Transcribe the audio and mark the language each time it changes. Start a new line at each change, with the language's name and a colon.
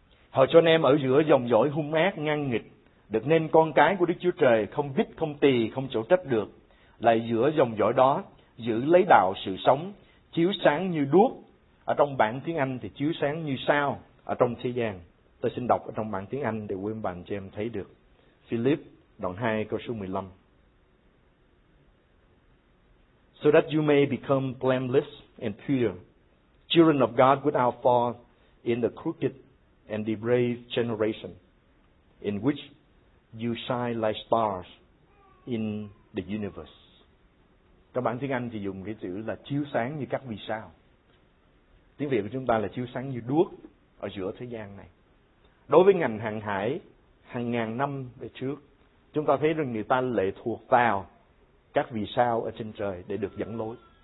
Vietnamese: Hỡi cho anh em ở giữa dòng dõi hung ác ngang nghịch, được nên con cái của Đức Chúa Trời, không vít không tì không chỗ trách được, lại giữa dòng dõi đó giữ lấy đạo sự sống, chiếu sáng như đuốc. Ở trong bản tiếng Anh thì chiếu sáng như sao ở trong thế gian. Tôi xin đọc ở trong bản tiếng Anh để quý ông bà anh chị em thấy được. Philip đoạn 2 câu số 15.
English: So that you may become blameless and pure, children of God without fault in the crooked and depraved generation, in which you shine like stars in the universe.
Vietnamese: Trong bản tiếng Anh thì dùng cái chữ là chiếu sáng như các vì sao. Tiếng Việt của chúng ta là chiếu sáng như đuốc ở giữa thế gian này. Đối với ngành hàng hải, hàng ngàn năm về trước, chúng ta thấy rằng người ta lệ thuộc vào các vì sao ở trên trời để được dẫn lối.